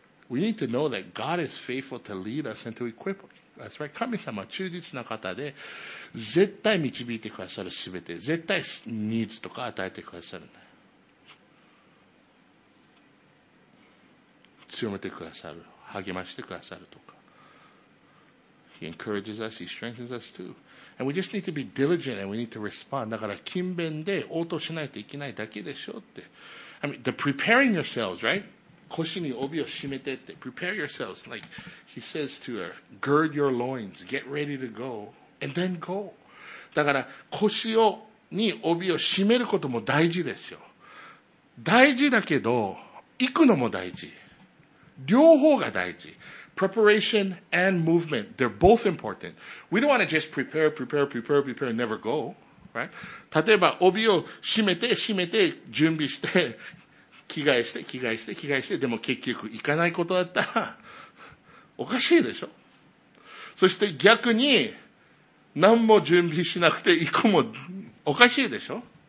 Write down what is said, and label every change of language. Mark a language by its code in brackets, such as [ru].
[en] We need to know that God is faithful to lead us and to equip That's right. [ja] 神様は忠実な方で、絶対導いてくださるすべて、絶対ニーズとか与えてくださるんだよ。強めてくださる。励ましてくださるとか。 [en] He encourages us, He strengthens us too. And we just need to be diligent and we need to respond. [ja] だから、勤勉で応答しないといけないだけでしょって。 [en] I mean, the preparing yourselves, right? [ja] 腰に帯を締めてって、 [en] prepare yourselves. Like, he says to her, gird your loins, get ready to go, and then go. [ja] だから、腰に帯を締めることも大事ですよ。大事だけど、行くのも大事。両方が大事。 [en] Preparation and movement, they're both important. We don't want to just prepare, prepare, prepare, prepare, and never go. Right? [ja] 例えば、帯を締めて、締めて、準備して、着替えして、でも結局行かないことだったら、おかしいでしょ？そして逆に、何も準備しなくて行くも、おかしいでしょ？